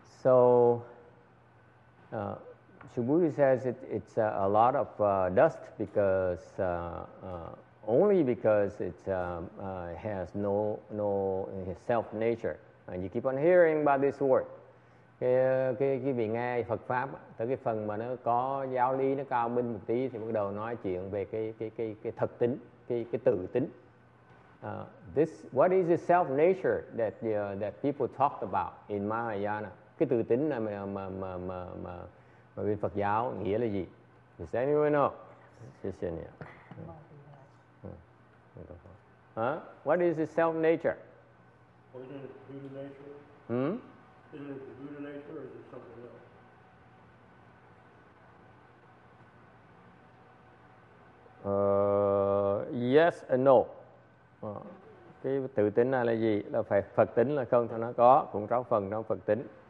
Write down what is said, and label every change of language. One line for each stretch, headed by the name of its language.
English: Shibuti says it's a lot of dust because only because it has no self nature. And you keep on hearing about this word.
Vietnamese: Cái vị nghe Phật pháp tới cái phần mà nó có giáo lý nó cao minh một tí thì bắt đầu nói chuyện về cái thật tính, cái tự tính.
English: This what is the self nature that that people talked about in Mahayana?
Vietnamese: Cái tự tính này mà bên Phật giáo nghĩa là gì?
English: Does anyone know? Just in here. What is the self nature? Is it the Buddha nature or is it something else? Yes and no.
Vietnamese: Cái tự tính này là gì? Là phải Phật tính là không, thì nó có, cũng trong phần trong Phật tính.